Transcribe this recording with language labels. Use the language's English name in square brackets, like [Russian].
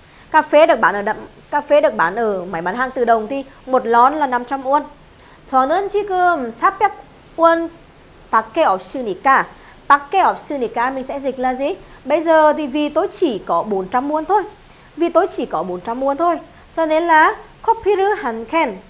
[Vietnamese] Cà phê được bán ở máy bán hàng tự động thì một lon là 500 won. [Korean] 저는 지금 400원 밖에 없으니까. 밖에 없으니까 [Vietnamese] mình sẽ dịch là gì? Bây giờ thì vì tôi chỉ có 400 won thôi. Vì tôi chỉ có 400 won thôi. Cho nên là [Korean] 커피를 한 캔.